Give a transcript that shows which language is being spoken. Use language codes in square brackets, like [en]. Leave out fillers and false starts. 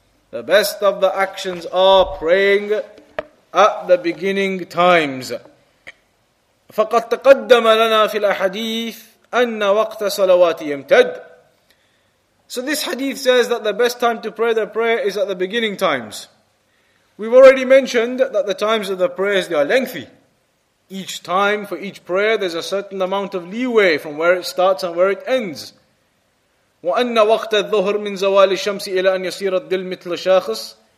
[en] The best of the actions are praying at the beginning times. [ar] فقد تقدم لنا في الأحاديث أن وقت صلواتي يمتد. [en] So this hadith says that the best time to pray the prayer is at the beginning times. We've already mentioned that the times of the prayers, they are lengthy. Each time for each prayer, there's a certain amount of leeway from where it starts and where it ends. [ar] وَأَنَّ وَقْتَ الظُّهْرِ مِنْ زَوَالِ الشَّمْسِ إِلَىٰ أَنْ يَصِيرَ الدِّلْ مِثْلَ شَاخِصِ.